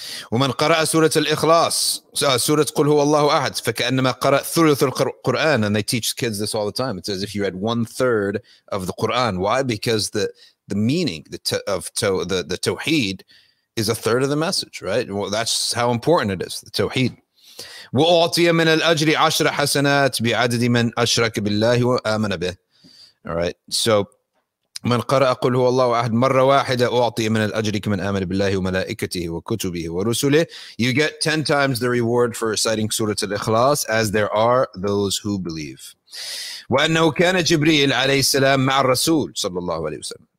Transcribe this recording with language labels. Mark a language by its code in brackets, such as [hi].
[ar] ومن قرأ سورة الإخلاص سورة قل هو الله أحد فكأنما قرأ ثلث القرآن. [en] And they teach kids this all the time. It's as if you read one third of the Quran. Why? Because the meaning the Tawheed is a third of the message, right? Well, that's how important it is, the Tawheed. [ar] وأعطي من الأجر عشر حسنات بعدد من أشرك بالله وآمن به. [en] All right. [ar] So من قرأ قل هو الله أحد مرة واحدة أعطي من الأجر كمن آمن بالله وملائكته وكتبه ورسله. [en] You get 10 times the reward for reciting Surah Al-Ikhlas as there are those who believe. [ar] وأنه كان جبريل عليه السلام مع الرسول صلى الله عليه وسلم.